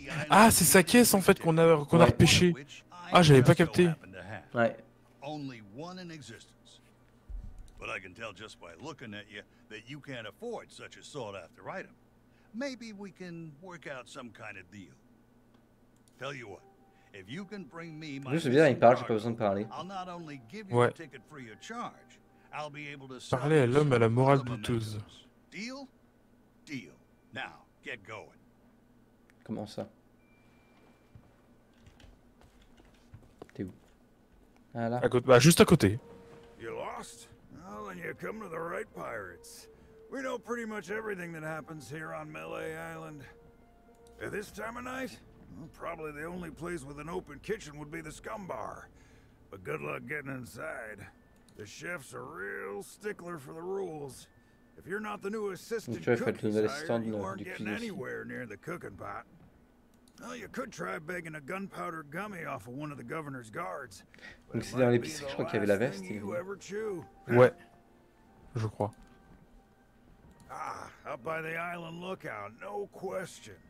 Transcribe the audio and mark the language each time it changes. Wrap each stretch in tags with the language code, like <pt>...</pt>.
<fr>Ah, c'est sa caisse en fait qu'on a repêché. Ah, j'avais pas capté. Ouais.</fr> <en>Only one in existence. But I can tell just by looking at you that you can't afford such a sought-after item. Maybe we can work out some kind of deal. Tell you what, if you can bring me my I'll not only give you a ticket free of charge, I'll be able to</en> <fr>parler à l'homme à la morale douteuse.</fr> <en>Deal? Deal. Now, get going.</en> <fr>Comment ça? T'es où? À côté, bah juste à côté.</fr> <en>You're lost? Well, then you're coming to the right pirates. We know pretty much everything that happens here on Melee Island. At this time of night, probably the only place with an open kitchen would be the scum bar. But good luck getting inside. The chef's a real stickler for the rules. If you're not the new assistant cook, you aren't getting anywhere near the cooking pot. Well, you could try begging a gunpowder gummy off of one of the governor's guards.</en> <fr>Donc c'est dans l'épicerie, je crois qu'il y avait la veste. Ouais, je crois.</fr> <en>Ah, up by the island lookout, no question.</en>